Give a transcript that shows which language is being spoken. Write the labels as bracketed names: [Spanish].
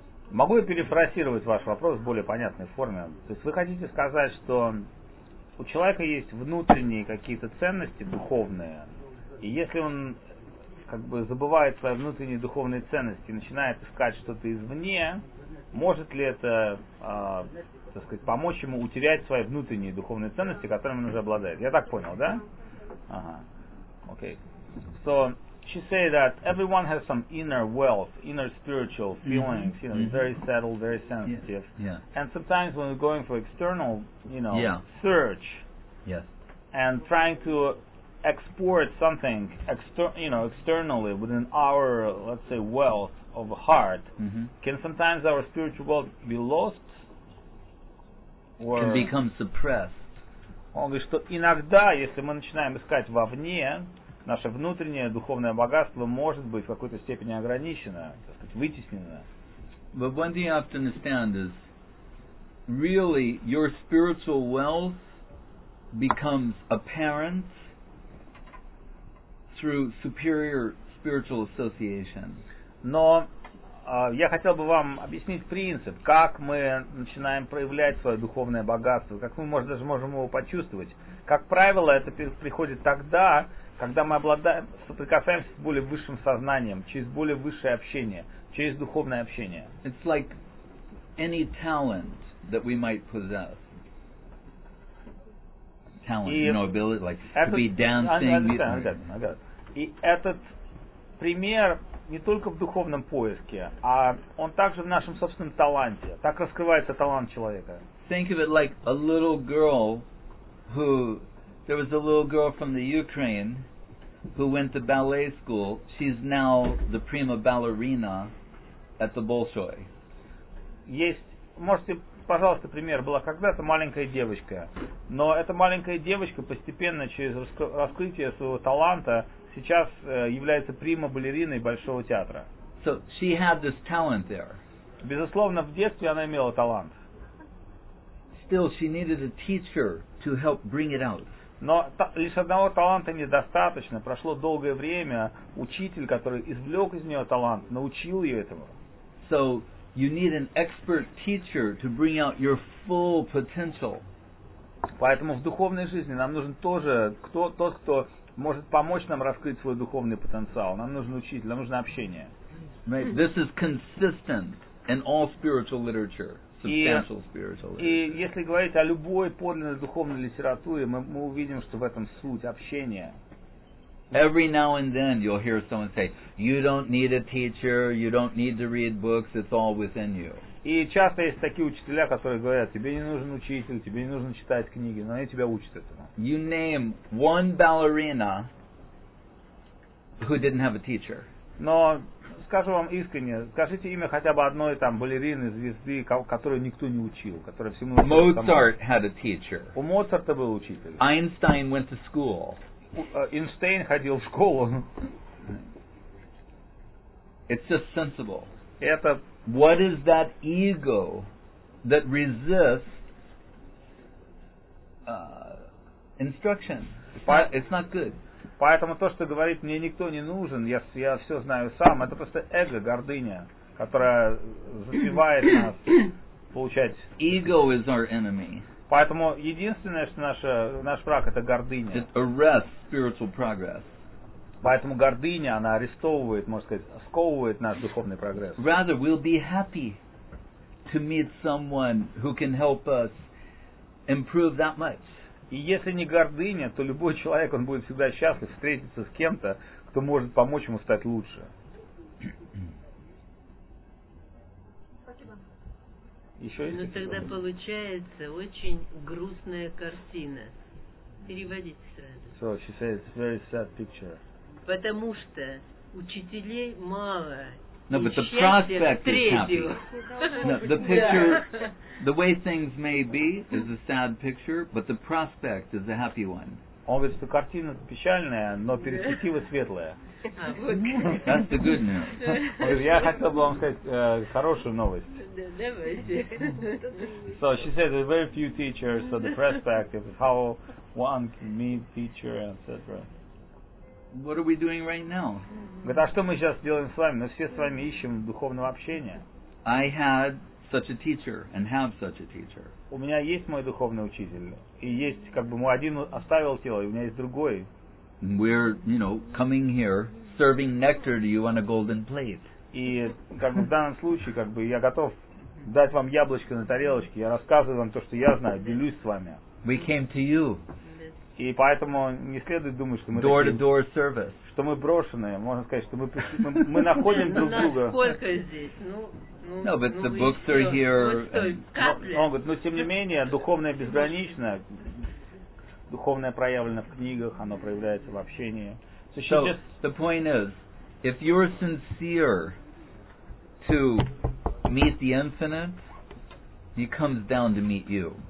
[Russian] Могу я перефразировать ваш вопрос в более понятной форме? То есть вы хотите сказать, что у человека есть внутренние какие-то ценности духовные, и если он как бы забывает свои внутренние духовные ценности и начинает искать что-то извне, может ли это, так сказать, помочь ему утерять свои внутренние духовные ценности, которыми он уже обладает? Я так понял, да? Ага. Окей. [English] So, she said that everyone has some inner wealth, inner spiritual feelings, mm-hmm. you know, mm-hmm. very settled, very sensitive. Yeah. Yeah. And sometimes when we're going for external, you know, yeah. search, yes. and trying to export something externally within our, let's say, wealth of heart, mm-hmm. can sometimes our spiritual wealth be lost? Or can become suppressed. [Russian] Он говорит, что иногда, если мы начинаем искать вовне, наше внутреннее духовное богатство может быть в какой-то степени ограничено, так сказать, вытеснено. [English] But one thing you have to understand is really your spiritual wealth becomes apparent through superior spiritual association. [Russian] Но я хотел бы вам объяснить принцип, как мы начинаем проявлять свое духовное богатство, как мы, может, даже можем его почувствовать. Как правило, это приходит тогда, когда мы обладаем, соприкасаемся с более высшим сознанием, через более высшее общение, через духовное общение. [English] It's like any talent that we might possess. Talent, you know, ability, like [Russian] этот, [English] to be dancing. I got it. [Russian] И этот пример не только в духовном поиске, а он также в нашем собственном таланте. Так раскрывается талант человека. [English] Think of it like a little girl who... There was a little girl from the Ukraine who went to ballet school. She's now the prima ballerina at the Bolshoi. [Russian] Есть, можете, пожалуйста, пример. Была когда-то маленькая девочка, но эта маленькая девочка постепенно через раскрытие своего таланта сейчас является прима балериной Большого театра. [English] So she had this talent there. [Russian] Безусловно, в детстве она имела талант. [English] Still, she needed a teacher to help bring it out. [Russian] Но лишь одного таланта недостаточно. Прошло долгое время, учитель, который извлек из нее талант, научил ее этому. [English] So you need an expert teacher to bring out your full potential. [Russian] Поэтому в духовной жизни нам нужен тоже тот, кто может помочь нам раскрыть свой духовный потенциал. Нам нужен учитель, нам нужно общение. [English] Right. This is consistent in all spiritual literature. [Russian] И если говорить о любой подлинной духовной литературе, мы увидим, что в этом суть общения. [English] Every now and then you'll hear someone say, "You don't need a teacher, you don't need to read books, it's all within you." [Russian] И часто есть такие учителя, которые говорят: "Тебе не нужен учитель, тебе не нужно читать книги", но они тебя учат этому. [English] You name one ballerina who didn't have a teacher. [Russian] Но скажу вам искренне, скажите имя хотя бы одной там балерины, звезды, которую никто не учил, которая всему научилась. [English] Mozart had a teacher. [Russian] У Моцарта был учитель. [English] Einstein went to school. [Russian] Эйнштейн ходил в школу. [English] It's just sensible. [Russian] Это [English] what is that ego that resists instruction? It's not good. [Russian] Поэтому то, что говорит, мне никто не нужен, я все знаю сам, это просто эго, гордыня, которая забивает нас получать. [English] Ego is our enemy. [Russian] Поэтому единственное, что наш враг, это гордыня. [English] It arrests spiritual progress. [Russian] Поэтому гордыня, она арестовывает, можно сказать, сковывает наш духовный прогресс. [English] Rather, we'll be happy to meet someone who can help us improve that much. [Russian] И если не гордыня, то любой человек, он будет всегда счастлив встретиться с кем-то, кто может помочь ему стать лучше. Спасибо. Еще есть? Но тогда вопросы? Получается очень грустная картина. Переводите сразу. [English] So she says it's a very sad picture. [Russian] Потому что учителей мало. [English] No, but the prospect is happy. No, the picture, the way things may be, is a sad picture, but the prospect is a happy one. [Russian] Он говорит, что картина печальная, но перспектива светлая. [English] That's the good news. [Russian] Я хотел бы вам сказать хорошую новость. Давайте. [English] So she said there are very few teachers, so the prospect is how one can meet teacher, etc. What are we doing right now? [Russian] Говорит, а что мы сейчас делаем с вами? Мы все с вами ищем духовного общения. [English] I had such a teacher and have such a teacher. [Russian] У меня есть мой духовный учитель, и есть как бы мой один оставил тело, и у меня есть другой. [English] We're, you know, coming here serving nectar to you on a golden plate. [Russian] И как бы в данном случае, как бы я готов дать вам яблочко на тарелочке. Я рассказываю вам то, что я знаю, делюсь с вами. [English] We came to you. [Russian] И поэтому не следует думать, что мы [English] door-to-door service. [Russian] Что мы брошенные. Можно сказать, что мы находим друг друга. Сколько здесь? [English] No, but the books are here. [Russian] Он говорит, но тем не менее, духовное безгранично. Духовное проявлено в книгах, оно проявляется в общении. [English] So the point is, if you're sincere to meet the infinite, he comes down to meet you.